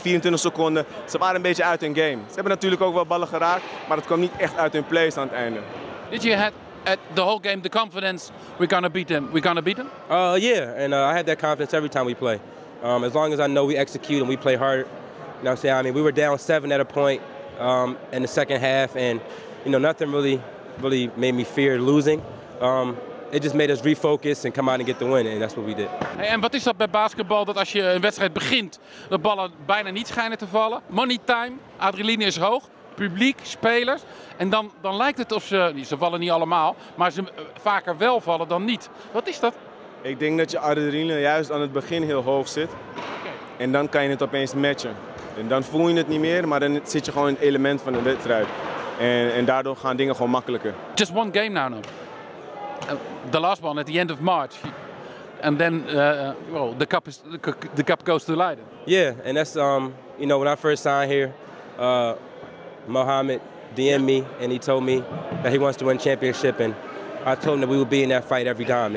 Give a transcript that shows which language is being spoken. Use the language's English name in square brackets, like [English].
[Dutch] 24 seconden, ze waren een beetje uit hun game. Ze hebben natuurlijk ook wel ballen geraakt, maar het kwam niet echt uit hun plays aan het einde. [English] Did you have at the whole game the confidence we're gonna beat them? I have that confidence every time we play. As long as I know we execute and we play hard. You know what I'm saying? I mean, we were down 7 at a point in the second half, and you know, nothing really made me fear losing. It just made us refocus and come out and get the win, and that's what we did. [Dutch] Hey, en wat is dat bij basketbal, dat als je een wedstrijd begint, de ballen bijna niet schijnen te vallen? Money time, adrenaline is hoog. Publiek, spelers. En dan lijkt het of ze vallen niet allemaal, maar ze vaker wel vallen dan niet. Wat is dat? Ik denk dat je adrenaline juist aan het begin heel hoog zit. Okay. En dan kan je het opeens matchen. En dan voel je het niet meer, maar dan zit je gewoon in het element van de wedstrijd. En daardoor gaan dingen gewoon makkelijker. [English] Just one game now. The last one at the end of March. And then the cup goes to Leiden. Yeah, and that's when I first signed here, Mohammed DM'd me and he told me that he wants to win championship, and I told him that we would be in that fight every time.